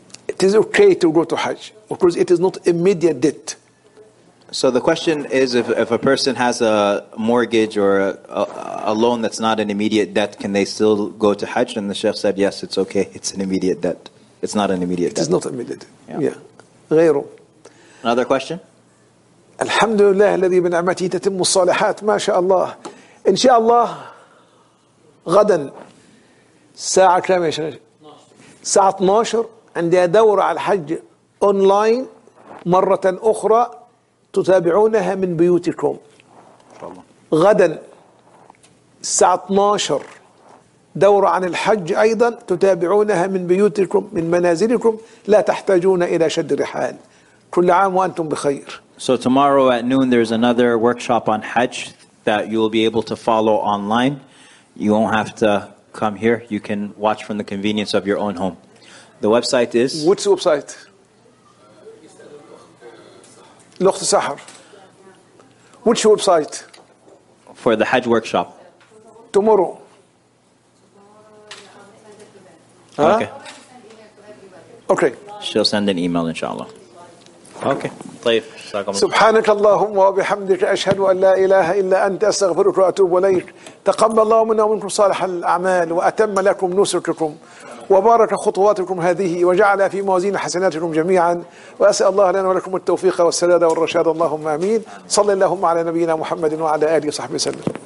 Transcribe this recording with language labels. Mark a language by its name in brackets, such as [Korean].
[English] It is okay to go to Hajj because it is not immediate debt. So the question is, if a person has a mortgage or a loan that's not an immediate debt, can they still go to Hajj? And the Sheikh said, yes, it's okay. It's an immediate debt. It's not an immediate debt. It's not immediate. Yeah. [Arabic] غيره. [English] Another question? [Arabic] الحمد لله الذي بنعمته تتم الصالحات ما شاء الله. إن شاء الله غدا ساعة كم يا شيخ؟ الساعة 12 عندي دورة على الحج أونلاين مرة أخرى تتابعونها من بيوتكم غدا الساعة 12 دورة عن الحج أيضا تتابعونها من بيوتكم من منازلكم لا تحتاجون إلى شد رحال كل عام وأنتم بخير. [English] So tomorrow at noon there's another workshop on Hajj that you will be able to follow online. You won't have to come here. You can watch from the convenience of your own home. The website is... What's the website? [Arabic] الأخت سحر. [English] Which website? For the Hajj workshop. Tomorrow. Okay. Okay. She'll send an email, inshallah. Okay. [Arabic] طيب. سبحانك اللهم وبحمدك أشهد أن لا إله إلا أنت أستغفرك وأتوب إليك. تقبل الله منا ومنكم صالح الأعمال وأتم لكم نسككم. وبارك خطواتكم هذه وجعل في موازين حسناتكم جميعا وأسأل الله لنا ولكم التوفيق والسداد والرشاد اللهم آمين صلى اللهم على نبينا محمد وعلى آله وصحبه وسلم.